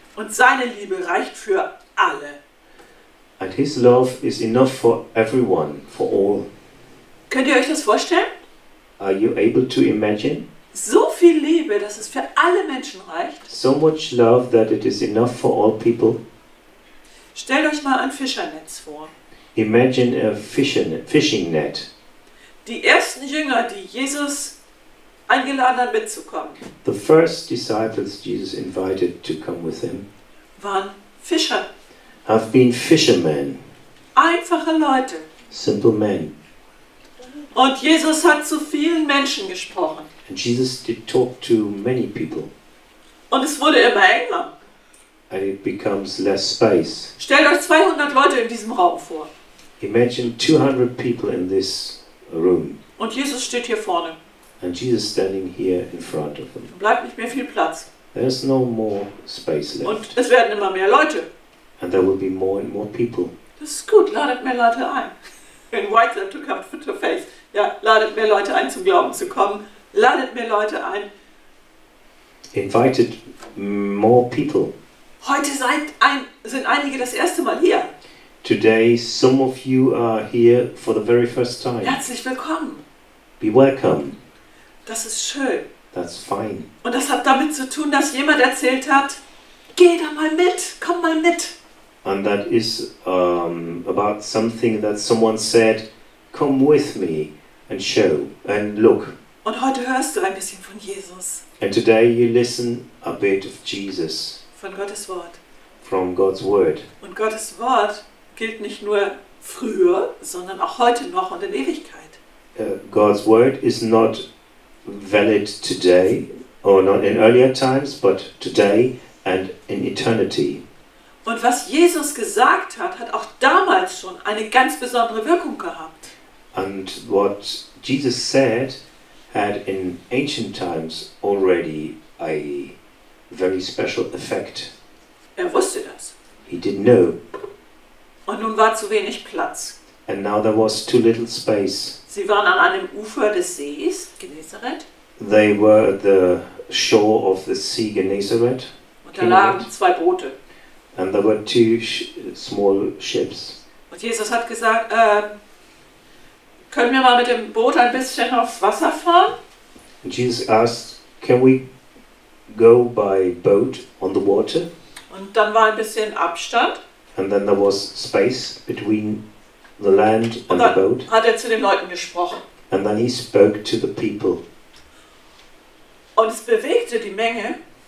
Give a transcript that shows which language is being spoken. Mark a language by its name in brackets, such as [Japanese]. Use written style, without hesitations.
[German] Und seine Liebe reicht für alle. [English] And his love is enough for everyone, for all. [German] Könnt ihr euch das vorstellen? [English] Are you able to imagine? [German] So viel Liebe, dass es für alle Menschen reicht. [English] So much love that it is enough for all people. [German] Stellt euch mal ein Fischernetz vor. [English] Imagine a fishing net. [German] Die ersten Jünger, die Jesus eingeladen hat mitzukommen. [English] The first disciples Jesus invited to come with him. [German] Waren Fischer. [English] Have been fishermen. [German] Einfache Leute. [English] Simple men. [German] Und Jesus hat zu vielen Menschen gesprochen. [English] And Jesus did talk to many people. [German] Und es wurde immer enger. [English] And it becomes less space. [German] Stellt euch 200 Leute in diesem Raum vor. [English] Imagine 200 people in this room. [German] Und Jesus steht hier vorne. [English] And Jesus standing here in front of them. [German] Bleibt nicht mehr viel Platz. [English] There's no more space left. [German] Und es werden immer mehr Leute. [English] And there will be more and more people. [German] Das ist gut, ladet mehr Leute ein. [English] Invite them to come to faith. [German] Ja, ladet mehr Leute ein, zum Glauben zu kommen. Ladet mehr Leute ein. [English] Invited more people. [German] Heute sind einige das erste Mal hier. [English] Today some of you are here for the very first time. [German] Herzlich willkommen. [English] Be welcome. [German] Das ist schön. [English] That's fine. [German] Und das hat damit zu tun, dass jemand erzählt hat, geh da mal mit, komm mal mit. [English] And that is about something that someone said, come with me and show and look. [German] Und heute hörst du ein bisschen von Jesus. [English] And today you listen a bit of Jesus. [German] Von Gottes Wort. [English] From God's Word. [German] Und Gottes Wort gilt nicht nur früher, sondern auch heute noch und in Ewigkeit. [English] God's Word is not valid today, or not in earlier times, but today and in eternity. [German] Und was Jesus gesagt hat, hat auch damals schon eine ganz besondere Wirkung gehabt. [English] And what Jesus said had in ancient times already a very special effect. [German] Er wusste das. [English] He didn't know. [German] Und nun war zu wenig Platz. [English] And now there was too little space. [German] Sie waren an einem Ufer des Sees, Genezareth. [English] They were at the shore of the sea, Genezareth. [German] Und da lagen zwei Boote. [English] And there were two small ships. [German] Und Jesus hat gesagt, können wir mal mit dem Boot ein bisschen auf Wasser fahren? [English] And Jesus asked, can we go by boat on the water? [German] Und dann war ein bisschen Abstand. [English] And then there was space between the land and the boat. [German] Hat er zu den Leuten gesprochen. [English] And then he spoke to the people. [German] Und es bewegte die Menge.